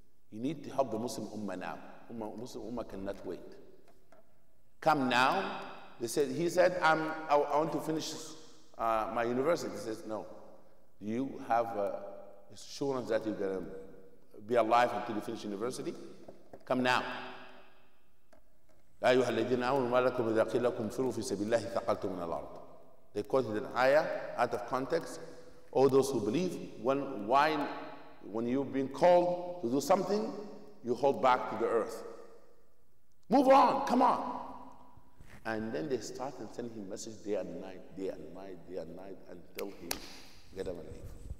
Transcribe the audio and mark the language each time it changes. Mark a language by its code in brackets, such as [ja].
[en] You need to help the Muslim Ummah now. Muslim Ummah cannot wait. Come now. They said, he said, I want to finish my university. He says, no. Do you have assurance that you're going to be alive until you finish university? Come now. [ar] أيها الذين آمنوا ما لكم إذا قيل لكم انفروا في سبيل الله ثقلتم من الأرض. [en] They quoted an ayah out of context. All those who believe, when you've been called to do something, you hold back to the earth. Move on, come on. And then they start and send him message day and night until he get up and leave.